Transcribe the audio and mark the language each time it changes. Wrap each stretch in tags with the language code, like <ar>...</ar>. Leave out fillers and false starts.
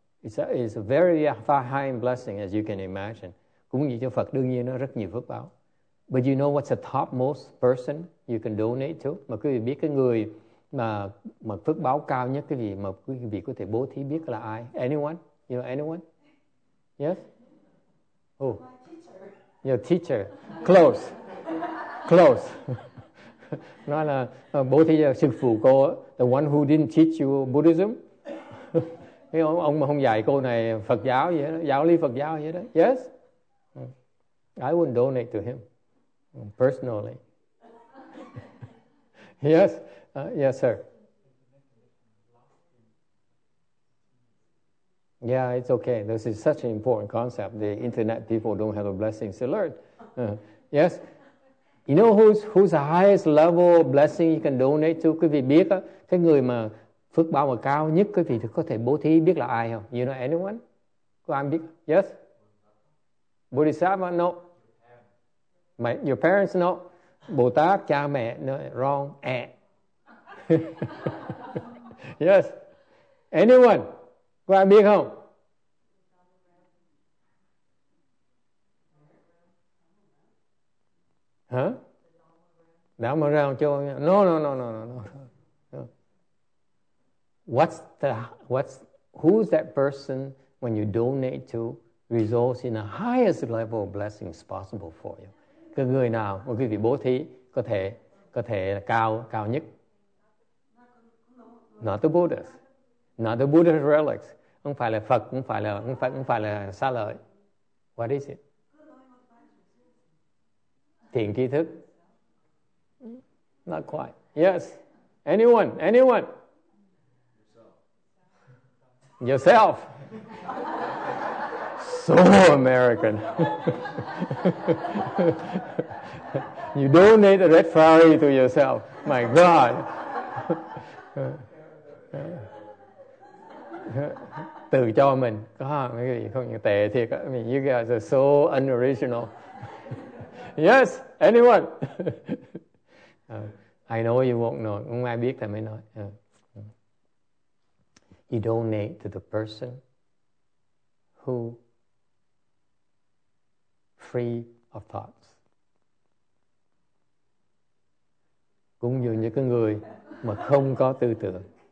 <en>It's a very high in blessing, as you can imagine.</en> <vi>Cúng dường cho Phật đương nhiên nó rất nhiều phước báo.</vi> <en>But you know what's the topmost person you can donate to?</en> <vi>Mà quý vị biết cái người mà phước báo cao nhất cái gì mà quý vị có thể bố thí biết là ai?</vi> <en>Anyone? You know anyone? Yes? Who? My teacher. Your teacher. Close. Close.</en> <vi>Nói là bố thí cho sư phụ cô,</vi> <en>the one who didn't teach you Buddhism.</en> <vi>Cái ông mà không dạy câu này Phật giáo vậy đó, giáo lý Phật giáo vậy đó.</vi> <en>Yes. I would donate to him personally. Yes. Yes, sir. Yeah, it's okay. This is such an important concept. The internet people don't have the blessings to learn. Yes. You know who's the highest level of blessing you can donate to?</en> <vi>Quý vị biết á, cái người mà phước báo mà cao nhất quý vị có thể bố thí biết là ai không?</vi> <en>You know anyone?</en> <vi>Có ai biết?</vi> <en>Yes? Bodhisattva? No. My, your parents? No.</en> <vi>Bồ Tát, cha mẹ?</vi> <en>No. Wrong.</en> <vi>Eh.</vi> <en>Yes? Anyone?</en> <vi>Có ai biết không? Huh? Đảo mà cho no.</vi> <en>Who's that person when you donate to results in the highest level of blessings possible for you?</en> <vi>Cái người nào mà quý vị bố thí có thể là cao nhất?</vi> <en>Not the Buddha. Not the Buddha relics.</en> <vi>Không phải là Phật, không phải là Xá Lợi.</vi> <en>What is it?</en> <vi>Thiện tri thức.</vi> <en>Not quite. Yes. Anyone? Yourself. So American. You donate a red Ferrari to yourself. My God.</en> <vi>Tự cho mình. Không những tệ thiệt.</vi> <en>I mean, you guys are so unoriginal. Yes, anyone? I know you won't know.</en> <vi>Không ai biết thì mới nói.</vi> <en>You donate to the person who free of thoughts.</en> <vi>Cũng như những cái người mà không có tư tưởng.</vi>